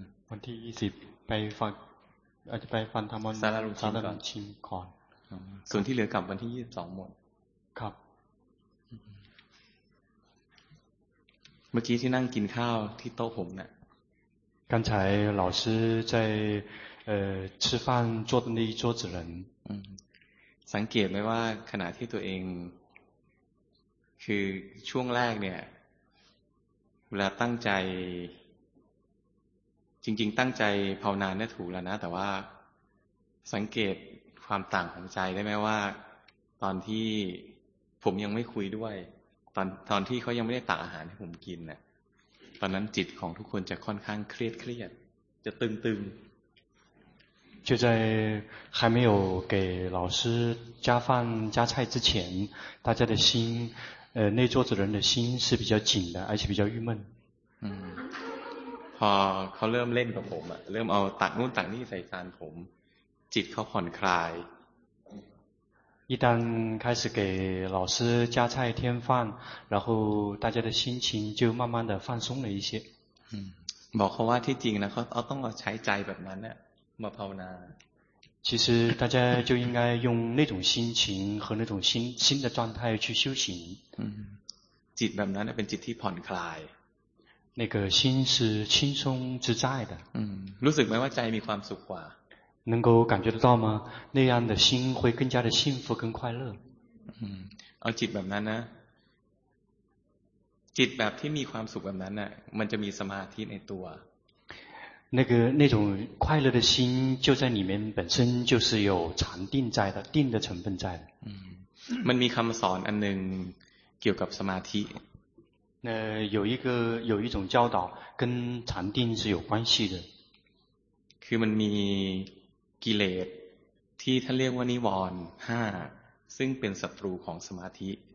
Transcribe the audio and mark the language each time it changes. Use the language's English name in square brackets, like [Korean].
[Thai] วันที่20ไปฟังอาจจะไปฟันธรรม สารลุง ชิงก่อน ส่วนที่เหลือกลับวันที่22หมด ครับ เมื่อกี้ที่นั่งกินข้าวที่โต๊ะผมเนี่ย [Chinese] 刚才老师在吃饭坐的那一桌子人 [Thai] สังเกตไหมว่าขณะที่ตัวเองคือช่วงแรกเนี่ยเวลาตั้งใจจริงๆตั้งใจภาวนาเนี่ยถูกแล้วนะแต่ว่าสังเกตความต่างของใจได้ไหมว่าตอนที่ผมยังไม่คุยด้วยตอนที่เขายังไม่ได้ตักอาหารให้ผมกินเนี่ยตอนนั้นจิตของทุกคนจะค่อนข้างเครียดๆจะตึงๆ [Chinese] 就在还没有给老师加饭加菜之前，大家的心，那桌子人的心是比较紧的，而且比较郁闷。 [Thai] พอเขาเริ่มเล่นกับผมอ่ะเริ่มเอาตักนู่นตักนี่ใส่จานผมจิตเขาผ่อนคลาย [Chinese] 一旦开始给老师加菜添饭，然后大家的心情就慢慢的放松了一些。 [Thai] บอกเขาว่าที่จริงนะเขาต้องใช้ใจแบบนั้นอ่ะมาภาวนา [Chinese] 其实大家就应该用那种心情和那种新的状态去修行 [Thai] จิตแบบนั้นเป็นจิตที่ผ่อนคลาย [Chinese] 那个心是轻松自在的 [Thai] รู้สึกไหมว่าใจมีความสุขกว่า [Chinese] 能够感觉得到吗那样的心会更加的幸福更快乐 [Thai] เอาจิตแบบนั้นนะจิตแบบที่มีความสุขแบบนั้นนะมันจะมีสมาธิในตัว [Chinese] 那种快乐的心就在里面本身就是有禅定在的定的成分在的 [Thai] มันมีคำสอนอันหนึ่งเกี่ยวกับสมาธิ [Chinese] 那有一种教导跟禅定是有关系的 [Thai] คือมันมีกิเลสที่ท่านเรียกว่านิวรณ์ห้าซึ่งเป็นศัตรูของสมาธิ